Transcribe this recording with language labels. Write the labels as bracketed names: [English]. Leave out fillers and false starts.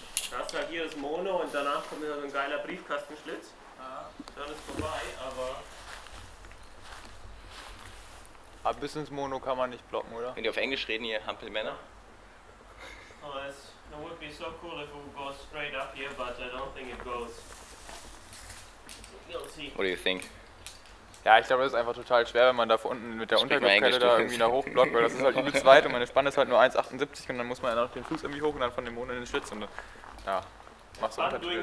[German] Da hast du halt hier das Mono und danach kommt wieder so ein geiler Briefkastenschlitz. Ah. Dann ist vorbei, aber... Aber bis ins Mono kann man nicht blocken, oder? Wenn die auf Englisch reden hier, Hampelmänner. [English] Oh, there would be so cool if it goes straight up here, but I don't think it goes. You'll see. What do you think? [German] Ja, ich glaube, das ist einfach total schwer, wenn man da unten mit der Untergriffkelle da irgendwie nach hochblockt, weil das ist halt übelst weit und meine Spanne ist halt nur 1,78 und dann muss man ja noch den Fuß irgendwie hoch und dann von dem Mond in den Schlitz und dann, ja, machst du Untertitel,